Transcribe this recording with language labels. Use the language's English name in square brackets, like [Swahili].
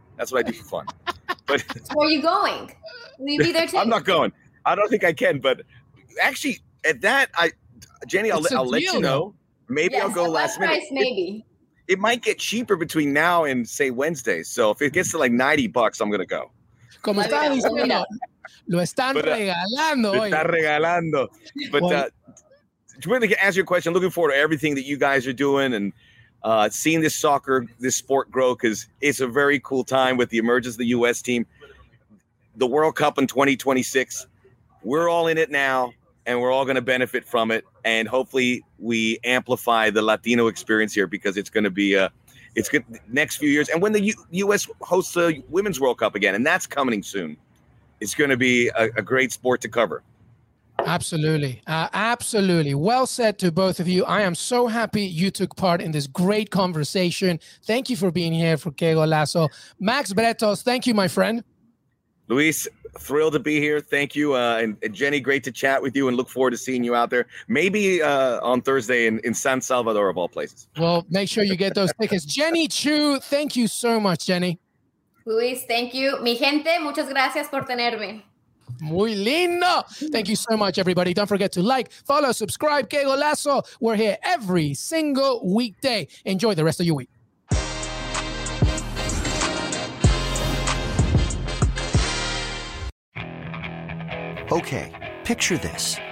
[English] That's what I do for fun. But where are you going? Will you be there too? I'm not going. I don't think I can. But actually, at that, I'll let you know. Maybe yes, I'll go last price, minute. Maybe. It might get cheaper between now and, say, Wednesday. So if it gets to, like, $90, I'm going to go. [Spanish] Como está diciendo, lo están regalando hoy. Está regalando. [English] But really to answer your question, looking forward to everything that you guys are doing and seeing this soccer, this sport grow, because it's a very cool time with the emergence of the U.S. team. The World Cup in 2026, we're all in it now. And we're all going to benefit from it. And hopefully we amplify the Latino experience here because it's going to be it's good next few years. And when the U.S. hosts the Women's World Cup again, and that's coming soon, it's going to be a great sport to cover. Absolutely. Absolutely. Well said to both of you. I am so happy you took part in this great conversation. Thank you for being here for Qué Golazo. Max Bretos, thank you, my friend. Luis, thrilled to be here. Thank you. And Jenny, great to chat with you and look forward to seeing you out there. Maybe on Thursday in San Salvador, of all places. Well, make sure you get those tickets. Jenny Chu, thank you so much, Jenny. Luis, thank you. [Spanish] Mi gente, muchas gracias por tenerme. Muy lindo. [English] Thank you so much, everybody. Don't forget to like, follow, subscribe. Qué Golazo. We're here every single weekday. Enjoy the rest of your week. Okay, picture this.